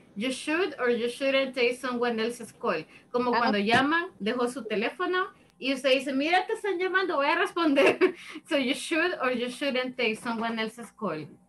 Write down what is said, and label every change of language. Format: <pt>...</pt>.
<en>You should or you shouldn't take someone else's call.</en> <es>Como cuando llaman, dejó su teléfono, y usted dice, mira, te están llamando, voy a responder.</es> <en>So you should or you shouldn't take someone else's call.</en>